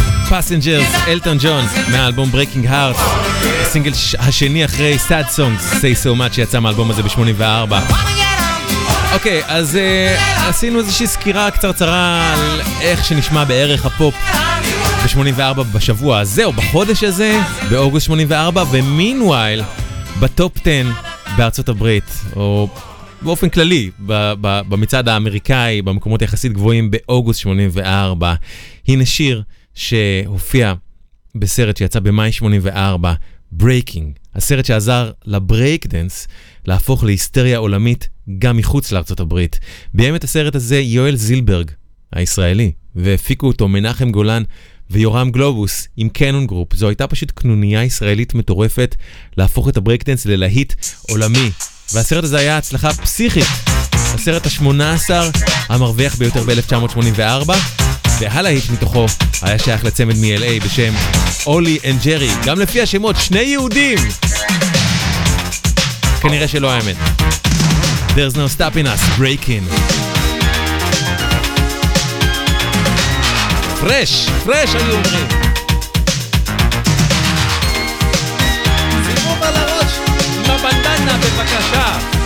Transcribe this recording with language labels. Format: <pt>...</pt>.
<he>Passengers, Elton John, מהאלבום Breaking Heart, הסינגל השני אחרי Sad Songs, Say So Much, שיצא מהאלבום הזה ב-84. אוקיי, אז עשינו איזושהי סקירה קצרצרה על איך שנשמע בערך הפופ ב-84 בשבוע הזה, או בחודש הזה, באוגוסט 84, ומינוויל, בטופ 10 בארצות הברית, או באופן כללי, במצעד האמריקאי, במקומות יחסית גבוהים, באוגוסט 84, הנה שיר שהופיע בסרט שיצא במאי 84, Breaking, הסרט שעזר לברייקדנס להפוך להיסטריה עולמית גם מחוץ לארצות הברית. ביים את הסרט הזה יואל זילברג הישראלי, והפיקו אותו מנחם גולן ויורם גלובוס עם קנון גרופ. זו הייתה פשוט קנוניה ישראלית מטורפת להפוך את הברייקדנס ללהיט עולמי, והסרט הזה היה הצלחה פסיכית, הסרט ה-18 המרוויח ביותר ב-1984, והלהיט מתוכו היה שייך לצמד מ-LA בשם אולי אנד ג'רי, גם לפי השמות שני יהודים, כנראה שלא האמת.</he> <en>There's no stopping us, breaking. Fresh, fresh,</en> <he>אני אומר. סיבוב על הראש, עם הבנדנה, בבקשה.</he>